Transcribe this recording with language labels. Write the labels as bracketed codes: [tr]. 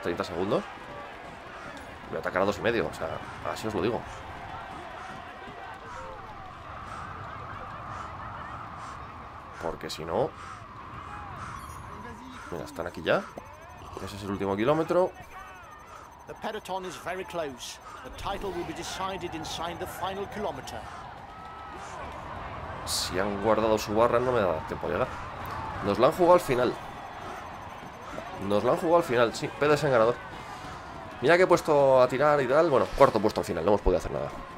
[es] 30 segundos. Voy a atacar a 2,5. O sea, así os lo digo. Porque si no... Mira, están aquí ya. Ese es el último kilómetro. [en] The peloton is very close. The title will be decided inside the final kilometer. [es] Si han guardado su barra, no me da tiempo a llegar. Nos la han jugado al final. Nos la han jugado al final, sí. Pedersen ganador. Mira que he puesto a tirar y tal. Bueno, cuarto puesto al final. No hemos podido hacer nada.